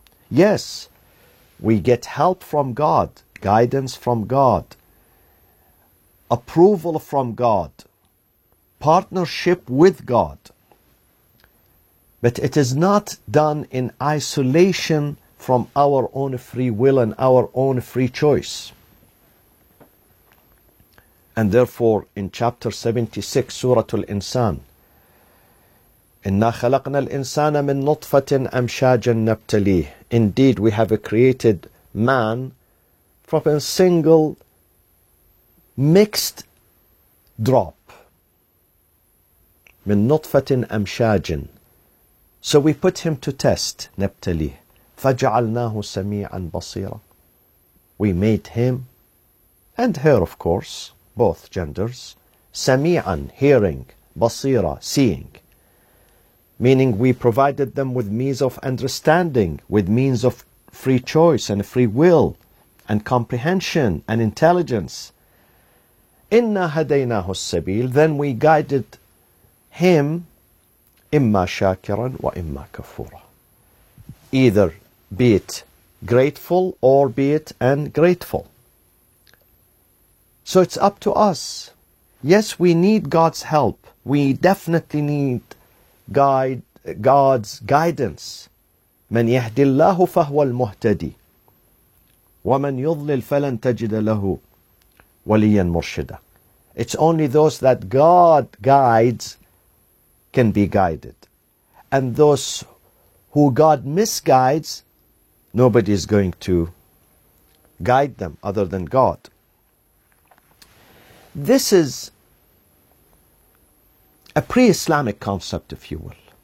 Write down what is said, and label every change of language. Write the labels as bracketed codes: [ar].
[en] Yes, we get help from God, guidance from God, approval from God, partnership with God. But it is not done in isolation from our own free will and our own free choice. And therefore, in chapter 76, Surah Al-Insan, [ar] إِنَّا خَلَقْنَا الْإِنسَانَ مِنْ نُطْفَةٍ أَمْشَاجًا نَبْتَلِيهِ. [en] Indeed, we have created man from a single mixed drop. [ar] مِنْ نُطْفَةٍ أَمْشَاجٍ. [en] So we put him to test, [ar] نَبْتَلِيهِ. فَجَعَلْنَاهُ سَمِيعًا بَصِيرًا. [en] We made him, and her of course, both genders, [ar] سَمِيعًا, [en] hearing, [ar] بَصِيرًا, [en] seeing. Meaning we provided them with means of understanding, with means of free choice and free will and comprehension and intelligence. [ar] إِنَّا هَدَيْنَاهُ السَّبِيلِ. [en] Then we guided him, [ar] إِمَّا شَاكِرًا وَإِمَّا كَفُورًا. [en] Either be it grateful or be it ungrateful. So it's up to us. Yes, we need God's help. We definitely need God's guidance. [ar] من يهدي الله فهو المهتدي، ومن يضلل فلن تجد له وليا مرشدا. [en] It's only those that God guides can be guided. And those who God misguides, nobody is going to guide them other than God. This is a pre-Islamic concept, if you will.